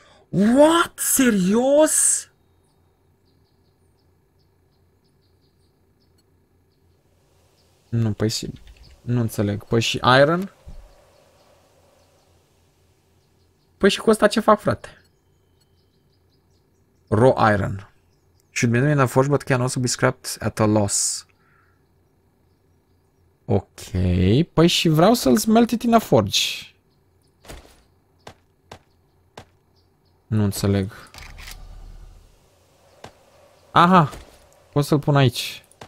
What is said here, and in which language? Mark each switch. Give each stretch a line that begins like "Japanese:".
English: What?
Romanian: Serios? Nu, păi, nu înțeleg. Păi și iron? Păi și cu ăsta ce fac, frate?
English: Raw iron. Should be made in a forge, but can also be scrapped at a loss. Ok.
Romanian: Păi și vreau să-l
English: smelt it in a forge.
Romanian: Nu înțeleg. Aha, pot să-l pun aici.